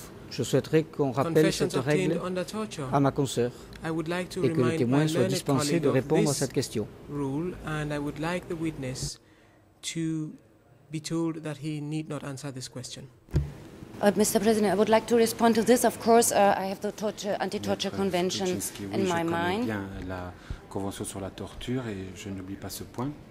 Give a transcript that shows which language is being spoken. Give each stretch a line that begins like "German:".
French: Je souhaiterais qu'on rappelle cette règle à ma consoeur et que le témoin soit dispensé de répondre à cette question.
English: To be told that he need not answer this question. Mr. President, I would like to respond to this. Of course, I have the anti-torture convention in my mind.
French: Bien la convention sur la torture et je n'oublie pas ce point.